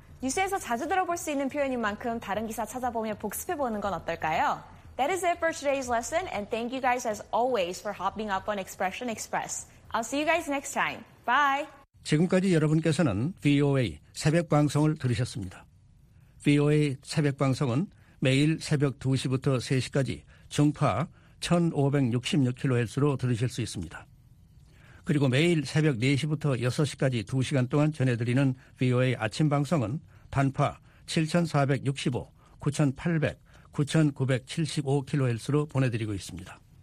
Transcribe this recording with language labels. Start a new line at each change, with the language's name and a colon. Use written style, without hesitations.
Korean: 뉴스에서 자주 들어볼 수 있는 표현인 만큼 다른 기사 찾아보며 복습해보는 건 어떨까요?
English: That is it for today's lesson, and thank you guys as always for hopping up on Expression Express. I'll see you guys next time. Bye!
Korean: 지금까지 여러분께서는 VOA 새벽 방송을 들으셨습니다. VOA 새벽 방송은 매일 새벽 2시부터 3시까지 중파 1566kHz로 들으실 수 있습니다. 그리고 매일 새벽 4시부터 6시까지 2시간 동안 전해드리는 VOA 아침 방송은 단파 7465, 9800, 9975kHz로 보내드리고 있습니다.